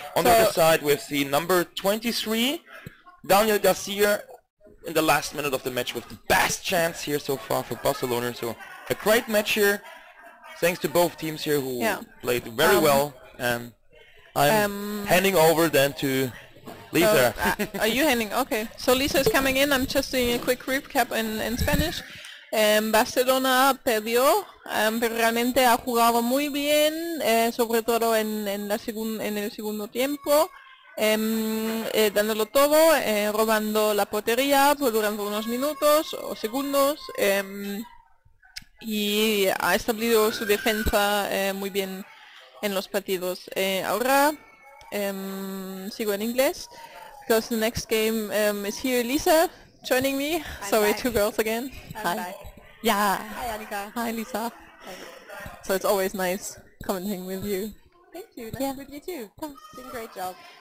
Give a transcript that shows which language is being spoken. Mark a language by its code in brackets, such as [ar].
[en] On the other side, we see number 23, Daniel Garcia, in the last minute of the match with the best chance here so far for Barcelona. So a great match here, thanks to both teams here who played very well. And I'm handing over then to Lisa. are you handing? Okay. So Lisa is coming in. I'm just doing a quick recap in Spanish. [es] Barcelona perdió, pero realmente ha jugado muy bien, sobre todo en el segundo tiempo, dándolo todo, robando la portería durante unos minutos o segundos, y ha establecido su defensa muy bien en los partidos. Ahora sigo en inglés. [en] Because the next game is here, Lisa joining me. I'm sorry, back. Two girls again. I'm hi. Back. Yeah. Hi, Annika. Hi, Lisa. Thanks. So it's always nice commenting with you. Thank you. Nice with you too. Doing a great job.